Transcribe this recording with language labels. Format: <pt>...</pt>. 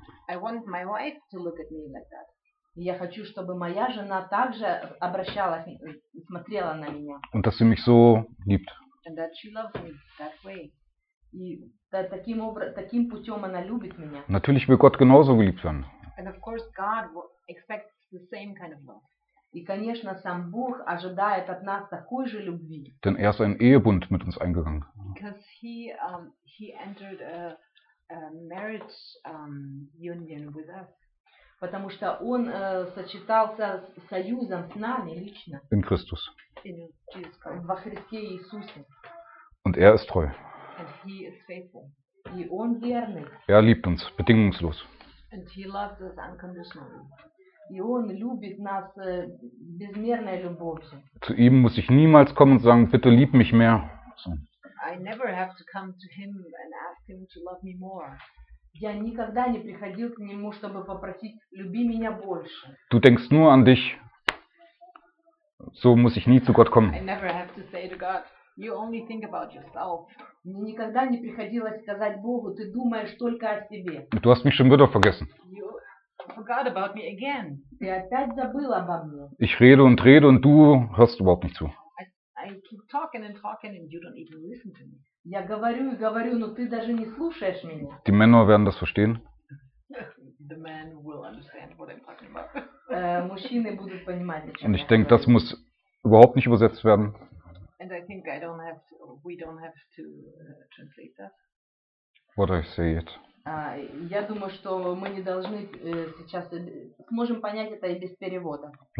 <en>I want my wife to look at me like that.</en> <ru>Я хочу, чтобы моя жена также обращалась, смотрела на меня.</ru> <de>Und dass sie mich so liebt.</de> <en>And that she loves me that way.</en> <ru>И да, таким образом, таким путем она любит меня.</ru> <de>Natürlich will Gott genauso geliebt werden.</de> <en>And of course God expects the same kind of love.</en> <ru>И, конечно, сам Бог ожидает от нас такой же любви.</ru> <de>Denn er ist einen Ehebund mit uns eingegangen.</de> <en>Because he entered a marriage union with us.</en> <ru>Потому что он сочетался с союзом с нами лично.</ru> <de>In Christus.</de> <en>In Jesus</en> <ru>Christ. Во Христе Иисусе.</ru> <de>Und er ist treu.</de> <en>And he is faithful.</en> <ru>И он верный.</ru> <de>Er liebt uns bedingungslos.</de> <en>And he loves us unconditionally.</en> <ru>И он любит нас безмерной любовью.</ru> <de>Zu ihm muss ich niemals kommen und sagen, bitte lieb mich mehr. So.</de> <en>I never have to come to him and ask him to love me more.</en> <ru>Я никогда не приходил к нему, чтобы попросить, люби меня больше.</ru> <de>Du denkst nur an dich. So muss ich nie zu Gott kommen.</de> <en>I never have to say to God, you only think about yourself.</en> <ru>Мне никогда не приходилось сказать Богу, ты думаешь только о себе.</ru> <de>Du hast mich schon wieder vergessen.</de> <en>Forgot about me again.</en> <ru>Ты опять забыл обо мне.</ru> <de>Ich rede und rede und du hörst überhaupt nicht zu.</de> <en>I keep talking and talking and you don't even listen to me.</en> <ru>Я говорю и говорю, но ты даже не слушаешь меня.</ru> <de>Die Männer werden das verstehen.</de> <en>The men will understand what I'm talking about.</en> <ru>Мужчины будут понимать, о чём я говорю.</ru> <de>Und ich denke, das muss überhaupt nicht übersetzt werden.</de> <en>And I think I don't have to, we don't have to translate that. What I say it.</en> <ru>Я думаю, что мы не должны сейчас сможем понять это и без перевода.</ru>